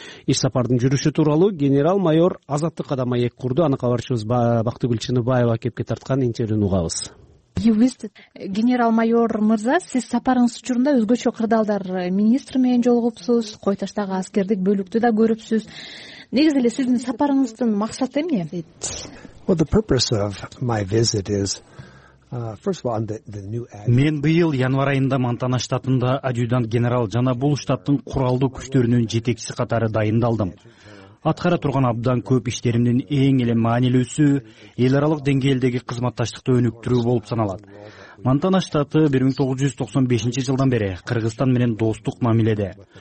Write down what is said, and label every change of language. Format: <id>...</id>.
<ky>Иш сапардын жүрүшү тууралуу генерал-майор Азаттыкка да маек курду. Аны кабарчыбыз Бактыгүл Чыныбаева кепке тарткан интервьюну угабыз. Генерал-майор мырза, сиз сапарыңыз учурунда өзгөчө кырдаалдар министри менен жолугупсуз, Кой Таштагы аскердик бөлүктү да көрүпсүз. Негизи эле сиздин сапарыңыздын максаты эмне?</ky> <en>Well, the purpose of my visit is first of all, the new ad.</en> <ky>Мен быйыл январь айында Монтана штатында адъютант генерал жана бул штаттын куралдуу күчтөрүнүн жетекчиси катары дайындалдым. Аткара турган абдан көп иштеримдин эң эле маанилүүсү эл аралык деңгээлдеги кызматташтыкты өнүктүрүү болуп саналат. Монтана штаты 1995 жылдан бери Кыргызстан менен достук мамиледе.</ky>